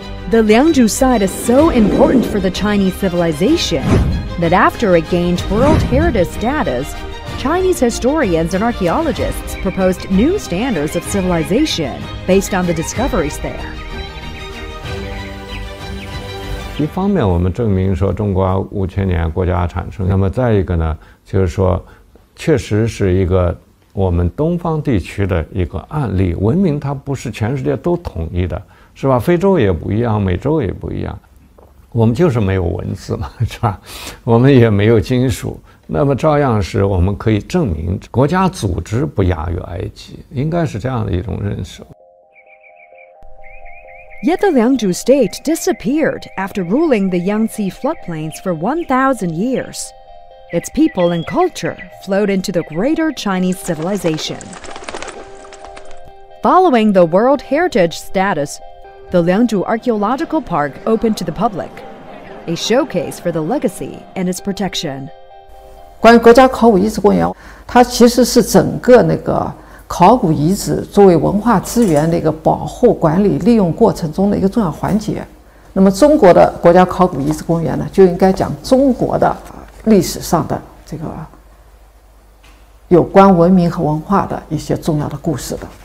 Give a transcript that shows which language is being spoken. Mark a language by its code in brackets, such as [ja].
[en] The Liangzhu site is so important for the Chinese civilization that after it gained World Heritage status, Chinese historians and archaeologists proposed new standards of civilization based on the discoveries there. [zh] 一方面我们证明说中国五千年国家产生，那么再一个呢，就是说确实是一个我们东方地区的一个案例，文明它不是全世界都统一的，是吧？非洲也不一样，美洲也不一样，我们就是没有文字嘛，是吧？我们也没有金属，那么照样是我们可以证明国家组织不亚于埃及，应该是这样的一种认识。 [en] Yet the Liangzhu state disappeared after ruling the Yangtze floodplains for 1,000 years. Its people and culture flowed into the greater Chinese civilization. Following the World Heritage status, the Liangzhu Archaeological Park opened to the public, a showcase for the legacy and its protection. [zh] 关于国家考古遗址公园，它其实是整个那个考古遗址作为文化资源的一个保护、管理、利用过程中的一个重要环节。那么中国的国家考古遗址公园呢，就应该讲中国的历史上的这个有关文明和文化的一些重要的故事的。